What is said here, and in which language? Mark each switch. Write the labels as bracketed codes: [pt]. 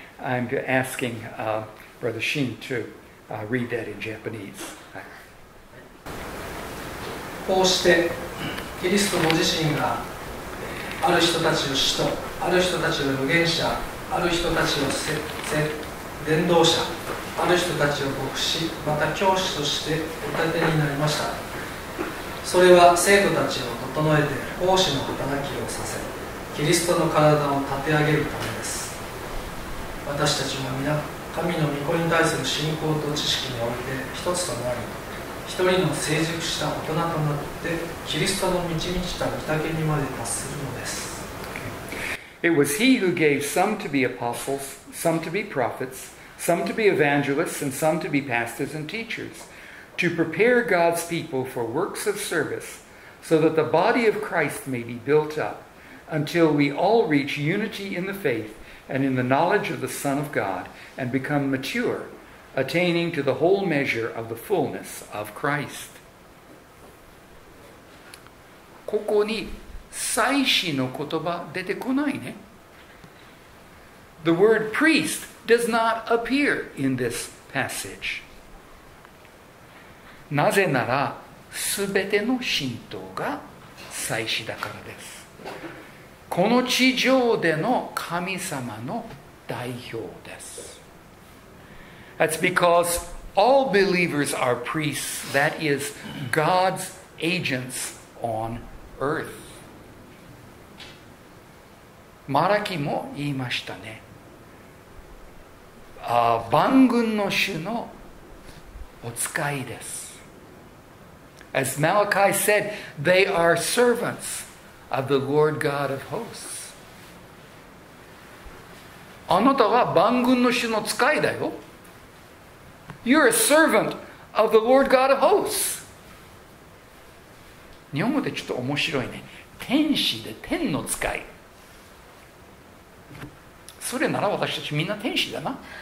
[en] I'm asking Brother Shin to read that in Japanese. [ja] こうしてキリストご自身がある人たちを使徒、ある人たちを預言者、ある人たちを伝道者、ある人たちを牧師、また教師としてお立てになりました。それは聖徒たちを整えて奉仕の働きをさせ、キリストの体を立て上げるためです。私たちも皆、神の御子に対する信仰と知識において一つとなり、一人の成熟した大人となってキリストの満ちた御丈にまで達するのです。 [en] It was he who gave some to be apostles, some to be prophets, some to be evangelists, and some to be pastors and teachers, to prepare God's people for works of service, so that the body of Christ may be built up, until we all reach unity in the faith and in the knowledge of the Son of God, and become mature. Attaining to the whole measure of the fullness of Christ. [ja] ここに祭司の言葉出てこないね。 [en] The word priest does not appear in this passage. [ja] なぜなら、すべての信徒が祭司だからです。この地上での神様の代表です。 [en] That's because all believers are priests, that is, God's agents on earth. [ja] Malachi も言いましたね。万軍の主のお使いです。 [en] As Malachi said, they are servants of the Lord God of hosts. [ja] あなたは万軍の主の使いだよ。 [en] You're a servant of the Lord God of hosts. [ja] 日本語でちょっと面白いね。天使で天の使い。それなら私たちみんな天使だな。